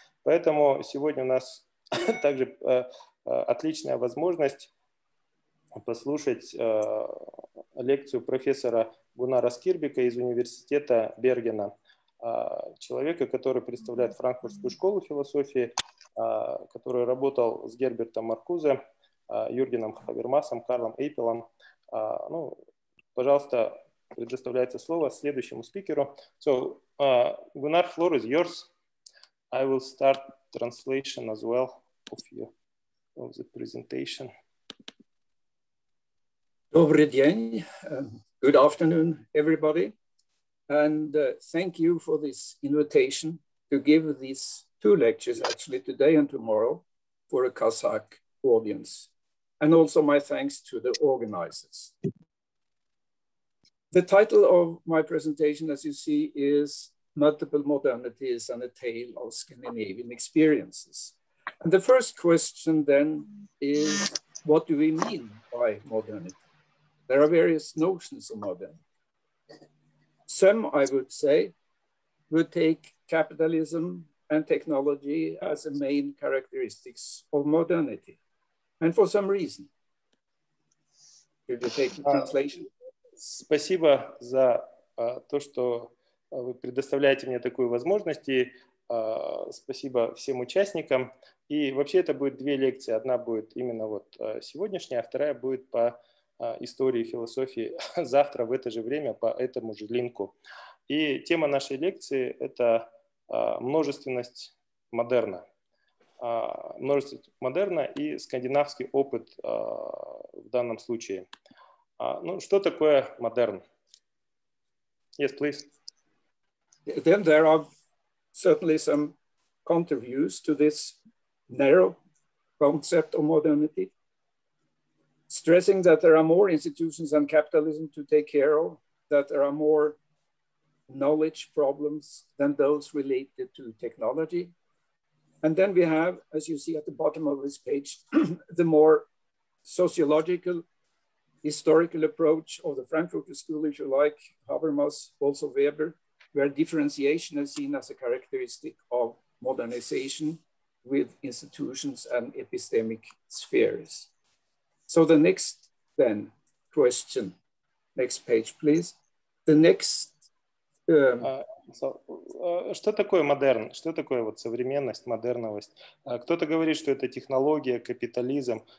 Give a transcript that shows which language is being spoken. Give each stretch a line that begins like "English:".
Russian: Поэтому сегодня у нас также отличная возможность послушать лекцию профессора Гунара Скирбека из университета Бергена, человека, который представляет Франкфуртскую школу философии, который работал с Гербертом Маркузе, Юргеном Хабермасом, Карлом Эйпелом. Ну, пожалуйста, предоставляется слово следующему спикеру.
English: So, Gunnar, floor is yours. I will start translation as well of the presentation.
Russian: Добрый день.
English: Good afternoon, everybody. And thank you for this invitation to give these two lectures, actually today and tomorrow, for a Kazakh audience. And also my thanks to the organizers. The title of my presentation, as you see, is Multiple Modernities and a Tale of Scandinavian Experiences. And the first question then is, what do we mean by modernity? There are various notions of modernity. Some, I would say, would take capitalism and technology as the main characteristics of modernity. And for some reason, if you take the translation.
Russian: Спасибо за то, что вы предоставляете мне такую возможность, и спасибо всем участникам. И вообще это будет две лекции. Одна будет именно вот сегодняшняя, а вторая будет по истории философии завтра в это же время по этому же линку. И тема нашей лекции – это множественность модерна. Множественность модерна и скандинавский опыт в данном случае. Ну, что такое модерн?
English: Yes, please. Then there are certainly some counterviews to this narrow concept of modernity. Stressing that there are more institutions than capitalism to take care of, that there are more knowledge problems than those related to technology. And then we have, as you see at the bottom of this page, the more sociological, historical approach of the Frankfurter School, if you like, Habermas, also Weber, where differentiation is seen as a characteristic of modernization with institutions and epistemic spheres. So the next then question, next page, please. The next.
Russian: Что такое модерн? Что такое вот современность, модерновость? Кто-то говорит, что это технология, капитализм.